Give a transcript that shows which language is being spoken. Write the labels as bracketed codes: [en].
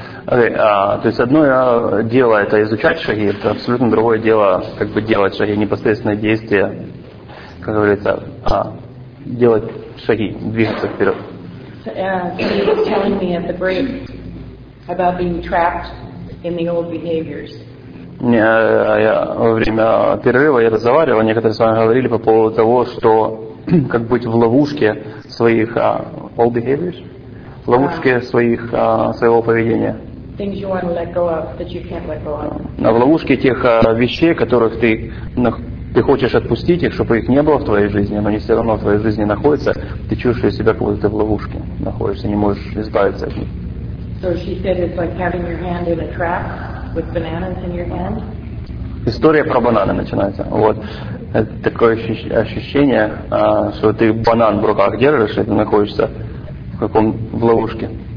[ru] Okay, то есть одно дело это изучать шаги, это абсолютно другое дело, как бы делать шаги, непосредственное действие, как говорится, делать шаги, двигаться вперед. [en] So, he was telling me at the break about being trapped in the old behaviors. [ru] Я во время перерыва я разговаривал, некоторые с вами говорили по поводу того, что как быть в ловушке своих [en] old behaviors, [ru] в ловушке своих своего поведения. [en] Things you want to let go of that you can't let go of. [ru] На в ловушке тех вещей, которых ты хочешь отпустить их, чтобы их не было в твоей жизни, но они все равно в твоей жизни находятся. Ты чувствуешь себя, как будто ты в ловушке находишься, не можешь избавиться от них. [en] So she said it's like having your hand in a trap. With bananas in your hand? [ru] История про бананы начинается. Вот. Это такое ощущение, что ты банан в руках держишь, и ты находишься в каком в ловушке.